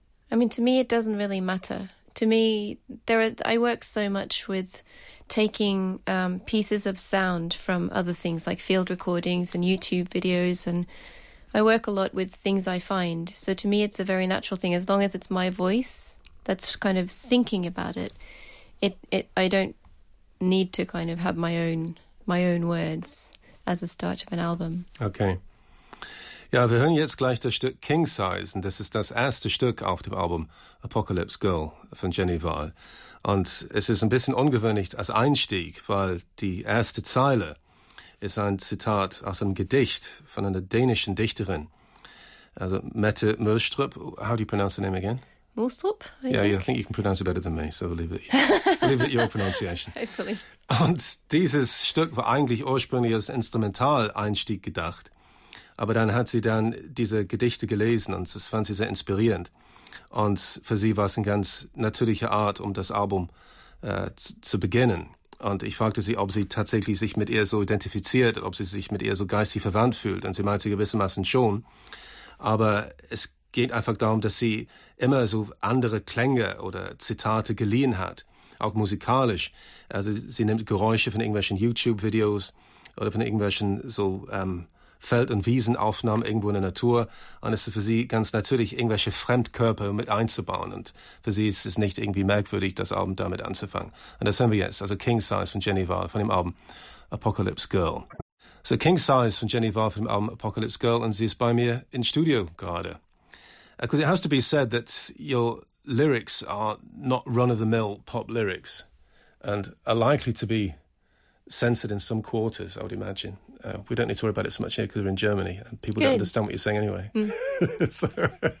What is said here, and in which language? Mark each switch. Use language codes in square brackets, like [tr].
[en] I mean, to me, it doesn't really matter. To me, I work so much with taking pieces of sound from other things, like field recordings and YouTube videos, and I work a lot with things I find. So to me, it's a very natural thing. As long as it's my voice that's kind of thinking about it, I don't need to kind of have my own words as a start of an album. Okay. [de] Ja, wir hören jetzt gleich das Stück King Size, und das ist das erste Stück auf dem Album Apocalypse Girl von Jenny Wahl. Und es ist ein bisschen ungewöhnlich als Einstieg, weil die erste Zeile ist ein Zitat aus einem Gedicht von einer dänischen Dichterin. [en] Also Mette Mostrup, how do you pronounce the name again? Mostrup, I think you can pronounce it better than me, so leave it your pronunciation. Hopefully. [de] Und dieses Stück war eigentlich ursprünglich als Instrumentaleinstieg gedacht. Aber dann hat sie dann diese Gedichte gelesen und das fand sie sehr inspirierend. Und für sie war es eine ganz natürliche Art, um das Album zu beginnen. Und ich fragte sie, ob sie tatsächlich sich mit ihr so identifiziert, ob sie sich mit ihr so geistig verwandt fühlt. Und sie meinte gewissermaßen schon. Aber es geht einfach darum, dass sie immer so andere Klänge oder Zitate geliehen hat, auch musikalisch. Also sie nimmt Geräusche von irgendwelchen YouTube-Videos oder von irgendwelchen so... Feld- und Wiesenaufnahmen irgendwo in der Natur, und es ist für sie ganz natürlich, irgendwelche Fremdkörper mit einzubauen, und für sie ist es nicht irgendwie merkwürdig, das Album damit anzufangen. Und das hören wir jetzt, also King Size von Jenny Wahl von dem Album Apocalypse Girl. So King Size von Jenny Wahl von dem Album Apocalypse Girl, und sie ist bei mir in Studio gerade. [en] Because it has to be said that your lyrics are not run-of-the-mill pop lyrics and are likely to be censored in some quarters, I would imagine. We don't need to worry about it so much here because we're in Germany and people don't understand what you're saying anyway. Mm.